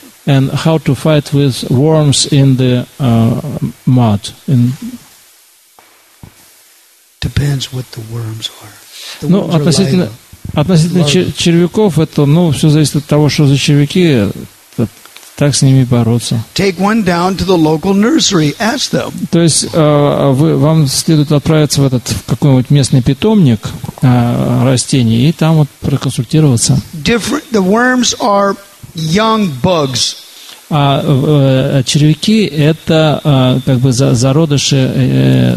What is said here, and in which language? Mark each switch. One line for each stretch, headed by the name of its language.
English: And how to fight with worms in the mud? Depends what the worms are.
Russian: Ну, относительно червяков, это, ну, все зависит от того, что за червяки, так с ними бороться.
English: Take one down to the local nursery, ask them.
Russian: То есть вам следует отправиться в какой-нибудь местный питомник растений и там вот проконсультироваться.
English: Different. The worms are young bugs.
Russian: А червяки – это как бы зародыши